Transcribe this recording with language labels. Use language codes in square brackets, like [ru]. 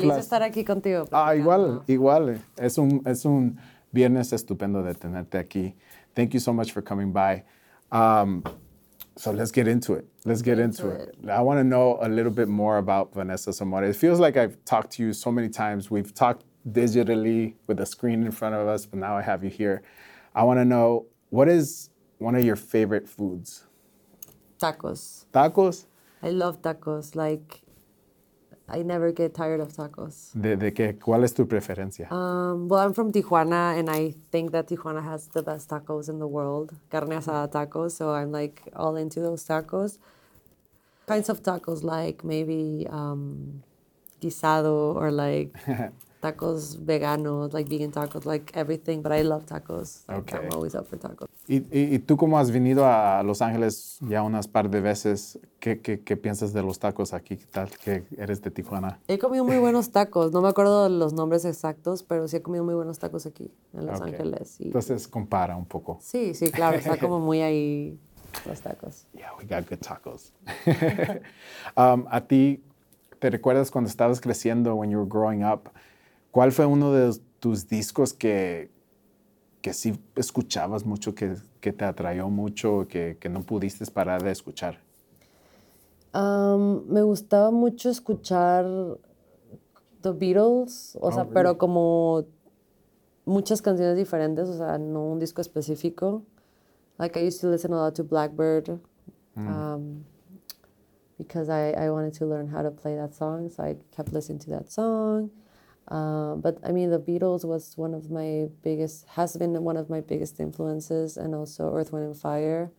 [es] Feliz de estar aquí contigo. Ah, igual, igual. Es un viernes estupendo de tenerte aquí. [en] Thank you so much for coming by. So let's get into it. I want to know a little bit more about Vanessa Zamora. It feels like I've talked to you so many times. We've talked digitally with a screen in front of us, but now I have you here. I want to know, what is one of your favorite foods? Tacos. Tacos? I love tacos. Like, I never get tired of tacos. [es] De qué? ¿Cuál es tu preferencia? [en] Well, I'm from Tijuana, and I think that Tijuana has the best tacos in the world. Carne asada tacos. So I'm, like, all into those tacos. Kinds of tacos, like, maybe guisado or, like, [es] tacos veganos, [en] like vegan tacos, like everything, but I love tacos. Okay. I'm always up for tacos. [es] ¿Y tú cómo has venido a Los Ángeles ya unas par de veces? ¿Qué piensas de los tacos aquí? ¿Qué tal que eres de Tijuana? He comido muy buenos tacos. No me acuerdo los nombres exactos, pero sí he comido muy buenos tacos aquí en Los Ángeles. Y, entonces, compara un poco. Sí, sí, claro. Está como muy ahí los tacos. [en] Yeah, we got good tacos. [es] ¿A ti te recuerdas cuando estabas creciendo, [en] when you were growing up, [es] ¿cuál fue uno de tus discos que sí escuchabas mucho, que te atrayó mucho, que no pudiste parar de escuchar? Me gustaba mucho escuchar The Beatles, [en] really? [es] Pero como muchas canciones diferentes, o sea, no un disco específico. [en] Like, I used to listen a lot to Blackbird. Because I wanted to learn how to play that song, so I kept listening to that song. But I mean, The Beatles was one of my biggest, has been one of my biggest influences, and also Earth, Wind, and Fire.